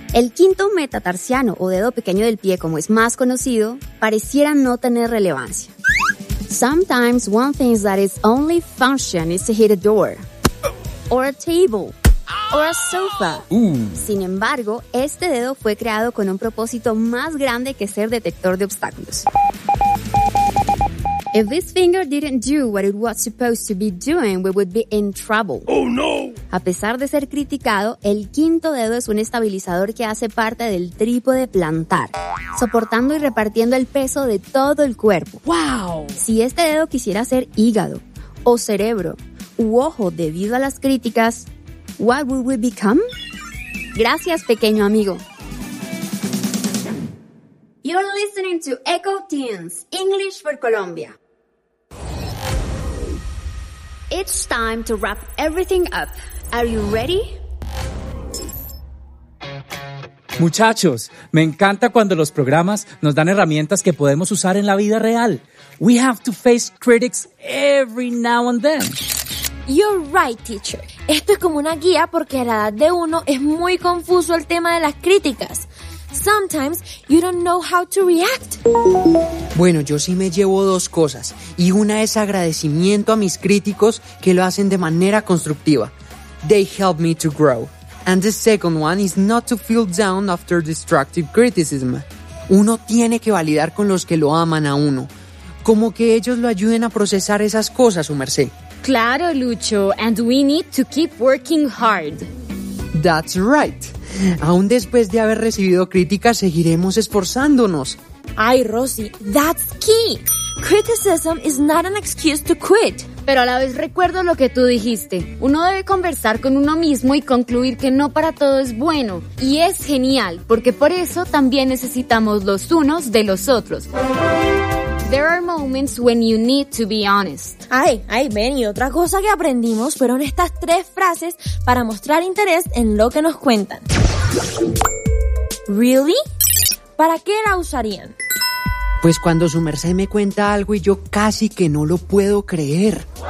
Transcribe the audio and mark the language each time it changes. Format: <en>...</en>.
<es>El quinto metatarsiano, o dedo pequeño del pie como es más conocido, pareciera no tener relevancia.</es> <en>Sometimes one thinks that its only function is to hit a door, or a table, or a sofa.</en> <es>Sin embargo, este dedo fue creado con un propósito más grande que ser detector de obstáculos.</es> <en>If this finger didn't do what it was supposed to be doing, we would be in trouble. Oh no!</en> <es>A pesar de ser criticado, el quinto dedo es un estabilizador que hace parte del trípode plantar, soportando y repartiendo el peso de todo el cuerpo.</es> <en>Wow!</en> <es>Si este dedo quisiera ser hígado, o cerebro, u ojo debido a las críticas,</es> <en>what would we become?</en> <es>Gracias, pequeño amigo.</es> <en>You're listening to EcoTeens, English for Colombia. It's time to wrap everything up. Are you ready?</en> <es>Muchachos, me encanta cuando los programas nos dan herramientas que podemos usar en la vida real.</es> <en>We have to face critics every now and then. You're right, teacher.</en> <es>Esto es como una guía porque a la edad de uno es muy confuso el tema de las críticas.</es> <en>Sometimes you don't know how to react.</en> <es>Bueno, yo sí me llevo dos cosas. Y una es agradecimiento a mis críticos que lo hacen de manera constructiva.</es> <en>They help me to grow. And the second one is not to feel down after destructive criticism.</en> <es>Uno tiene que validar con los que lo aman a uno. Como que ellos lo ayuden a procesar esas cosas, su merced.</es> <en>Claro, Lucho. And we need to keep working hard. That's right.</en> <es>Aún después de haber recibido críticas, seguiremos esforzándonos.</es> <en>Ay, Rosy, that's key. Criticism is not an excuse to quit.</en> <es>Pero a la vez recuerdo lo que tú dijiste. Uno debe conversar con uno mismo y concluir que no para todo es bueno. Y es genial, porque por eso también necesitamos los unos de los otros.</es> <en>There are moments when you need to be honest.</en> <es>Ay, Benny, otra cosa que aprendimos fueron estas tres frases para mostrar interés en lo que nos cuentan.</es> <en>Really?</en> <es>¿Para qué la usarían? Pues cuando su merced me cuenta algo y yo casi que no lo puedo creer.</es>